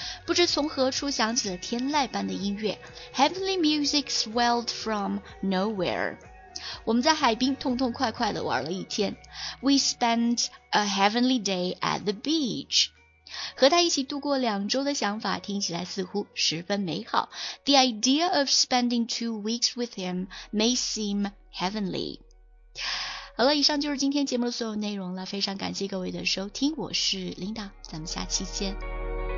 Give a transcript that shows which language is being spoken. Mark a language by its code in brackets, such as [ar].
[zh] 不知从何处响起了天籁般的音乐 [en] Heavenly music swelled from nowhere. [zh] 我们在海滨痛痛快快地玩了一天 [en] We spent a heavenly day at the beach. [zh] 和他一起度过两周的想法听起来似乎十分美好。 [en] The idea of spending 2 weeks with him may seem heavenly. [zh] 好了，以上就是今天节目的所有内容了，非常感谢各位的收听，我是 Linda, 咱们下期见。